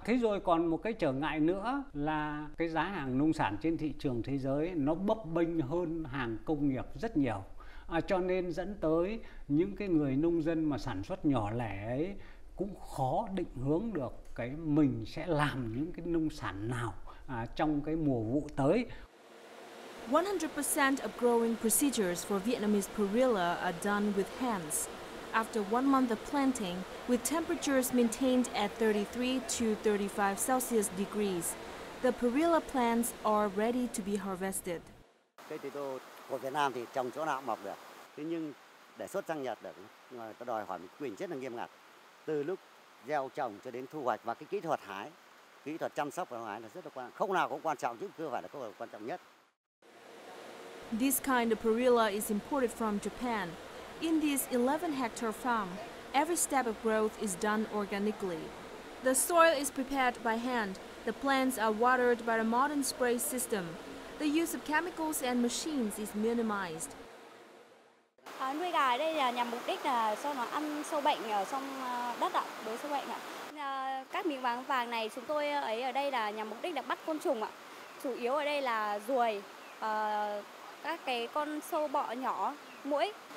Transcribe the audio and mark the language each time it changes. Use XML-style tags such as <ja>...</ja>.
<vi>Thế rồi còn một cái trở ngại nữa là cái giá hàng nông sản trên thị trường thế giới nó bấp bênh hơn hàng công nghiệp rất nhiều. Cho nên dẫn tới những cái người nông dân mà sản xuất nhỏ lẻ ấy cũng khó định hướng được cái mình sẽ làm những cái nông sản nào trong cái mùa vụ tới.</vi> <en>100% of growing procedures for Vietnamese perilla are done with hands. After 1 month of planting, with temperatures maintained at 33 to 35 Celsius degrees, the perilla plants are ready to be harvested.</en> <vi>Của Việt Nam thì trồng chỗ nào mọc được. Thế nhưng để xuất sang Nhật được, người ta đòi hỏi một quy trình rất là nghiêm ngặt. Từ lúc gieo trồng cho đến thu hoạch và cái kỹ thuật hái, kỹ thuật chăm sóc và hái là rất là quan trọng. Không nào cũng quan trọng, chứ cơ bản là không phải quan trọng nhất.</vi> <en>This kind of perilla is imported from Japan. In this 11 hectare farm, every step of growth is done organically. The soil is prepared by hand. The plants are watered by a modern spray system. The use of chemicals and machines is minimized.</en> <vi>Nuôi gà ở đây là nhằm mục đích là cho nó ăn sâu bệnh ở trong đất ạ, đối sâu bệnh ạ. Các miếng vàng vàng này chúng tôi ấy ở đây là nhằm mục đích là bắt côn trùng ạ. Chủ yếu ở đây là ruồi, các cái con sâu bọ nhỏ, muỗi.</vi>